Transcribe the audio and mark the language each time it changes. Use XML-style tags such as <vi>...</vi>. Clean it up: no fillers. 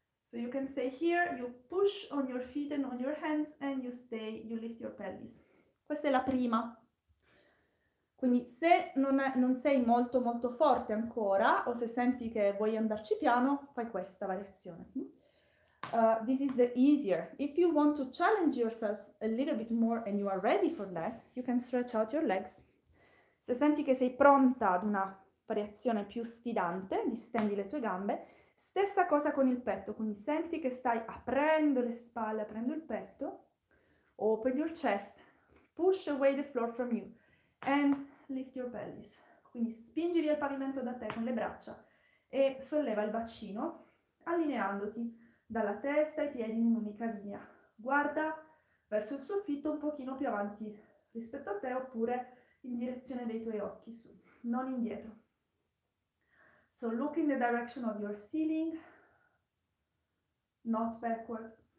<en>So you can stay here, you push on your feet and on your hands and you lift your pelvis.</en> <it>Questa è la prima. Quindi se non sei molto molto forte ancora o se senti che vuoi andarci piano, fai questa variazione.</it> <en>This is the easier. If you want to challenge yourself a little bit more and you are ready for that, you can stretch out your legs.</en> <it>Se senti che sei pronta ad una variazione più sfidante, distendi le tue gambe. Stessa cosa con il petto, quindi senti che stai aprendo le spalle, aprendo il petto.</it> <en>Open your chest, push away the floor from you and lift your pelvis.</en> <it>Quindi spingi via il pavimento da te con le braccia e solleva il bacino, allineandoti dalla testa ai piedi in un'unica linea. Guarda verso il soffitto un pochino più avanti rispetto a te oppure in direzione dei tuoi occhi su, non indietro.</it> <en>So look in the direction of your ceiling, not backward.</en>